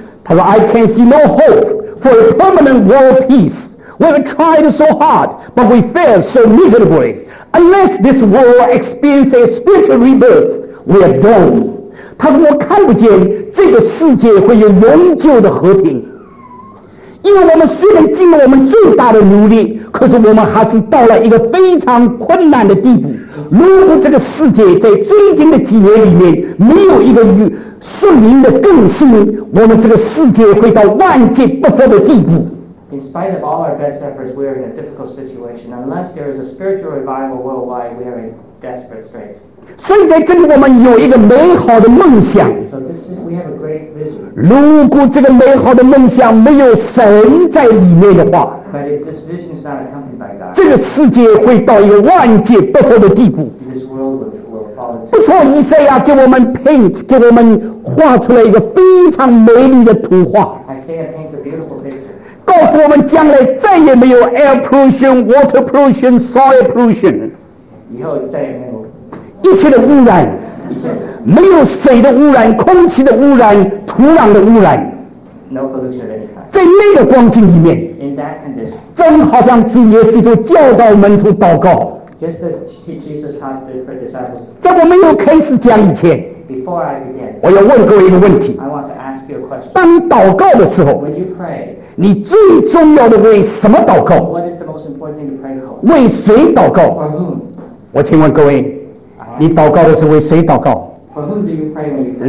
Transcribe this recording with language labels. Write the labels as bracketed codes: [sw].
[zh] 他说 [en] I can see no hope for a permanent world peace We've tried so hard but we failed so miserably Unless this world experiences spiritual rebirth, we are doomed. [zh] 他说我看不见这个世界会有永久的和平。因为我们虽然尽了我们最大的努力，可是我们还是到了一个非常困难的地步。如果这个世界在最近的几年里面没有一个顺灵的更新，我们这个世界会到万劫不复的地步。 [en] In spite of all our best efforts, we are in a difficult situation. Unless there is a spiritual revival worldwide, we are in desperate straits. [zh] 所以在这里我们有一个美好的梦想。 [en] So this is, we have a great vision. [zh] 如果这个美好的梦想没有神在里面的话， [en] But if this vision is not accompanied by God, [zh] 这个世界会到一个万劫不复的地步。 [en] This world will fall into decay. [zh] 不错，以赛亚给我们 paint, 给我们画出了一个非常美丽的图画。 [en] Isaiah paints a beautiful picture. [zh] 告诉我们将来再也没有 [en] air pollution, water pollution, soil pollution, [zh] 以后再也没有一切的污染，没有水的污染，空气的污染，土壤的污染， [en] no pollution of any kind. [zh] 在那个光景里面， [en] in that condition, [zh] 正好像主耶稣都教导门徒祷告， [en] just as Jesus taught the disciples, [zh] 在我没有开始讲以前， [en] before I begin, [zh] 我要问各位一个问题， [en] I want to ask you a question. [zh] 当祷告的时候， [en] when you pray, [zh] 你最重要的为什么祷告？ [en] What is the most important thing to pray for? [zh] 为谁祷告？ [en] For whom? [zh] 我请问各位， uh-huh. 你祷告的是为谁祷告？ [en] For whom do you pray when you pray?